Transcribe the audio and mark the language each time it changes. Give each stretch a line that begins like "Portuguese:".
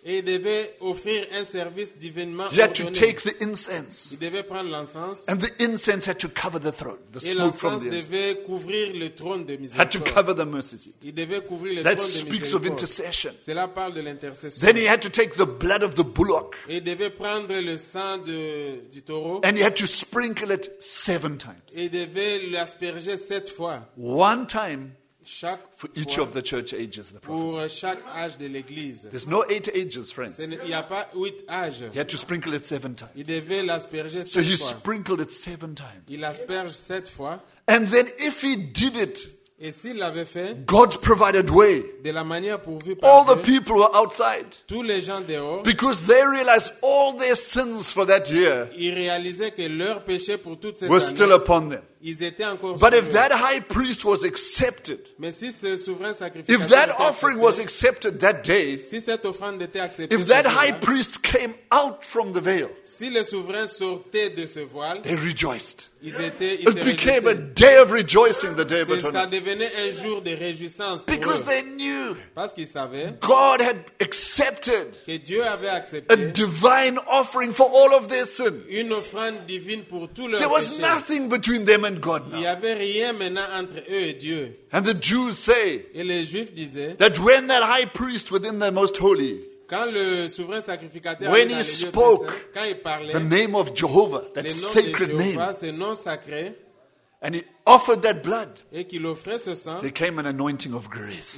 French: Et il devait offrir un service divinement
English: he
French: ordonné.
English: Had to take the incense.
French: Il devait prendre l'encens.
English: And the incense had to cover the throne. The
French: et
English: smoke
French: l'encens
English: from the
French: devait
English: incense.
French: Couvrir le trône de miséricorde.
English: Had to cover the mercy seat.
French: Il devait couvrir le
English: that
French: trône
English: speaks
French: de miséricorde.
English: Of intercession.
French: Cela parle de l'intercession.
English: Then he had to take the blood of the bullock.
French: Et il devait prendre le sang du taureau.
English: And he had to sprinkle it 7 times.
French: Et il devait l'asperger 7 fois.
English: One time
French: chaque
English: for each of the church ages, the prophet.
French: Pour chaque âge de l'église.
English: There's no 8 ages, friends.
French: Il n'y a pas 8 âges.
English: He had to sprinkle it 7 times.
French: Il devait l'asperger 7
English: so
French: fois.
English: So he sprinkled it 7 times.
French: Il asperge 7 fois.
English: And then if he did it,
French: et s'il l'avait fait,
English: God provided way.
French: De la manière pourvue par
English: all the people were outside.
French: Tous les gens dehors,
English: because they realized all their sins for that year
French: ils réalisaient que leur péché pour toute cette
English: were
French: année,
English: still upon them. But if that high priest was accepted,
French: mais si ce souverain sacrificateur
English: if that offering
French: accepté,
English: was accepted that day,
French: si cette offrande était acceptée
English: if that high priest came out from the veil,
French: si le souverain sortait de ce voile,
English: they rejoiced.
French: Ils étaient, ils
English: it became a day of rejoicing the day of atonement.
French: Ça devenait un jour de réjouissance pour
English: because
French: eux.
English: They knew
French: parce qu'ils savaient
English: God had accepted
French: que Dieu avait accepté
English: a divine offering for all of their sin.
French: Une offrande divine pour tous leurs
English: There was nothing between them and God now.
French: Il y avait rien maintenant entre eux et Dieu.
English: And the Jews say
French: et les Juifs disaient
English: that when that high priest within the most holy
French: quand le souverain sacrificateur
English: when he spoke
French: saints, quand il parlait,
English: the name of Jehovah, that sacred
French: Jehovah,
English: name,
French: ce nom sacré,
English: and he offered that blood,
French: et qu'il offrait ce sang,
English: there came an anointing of grace.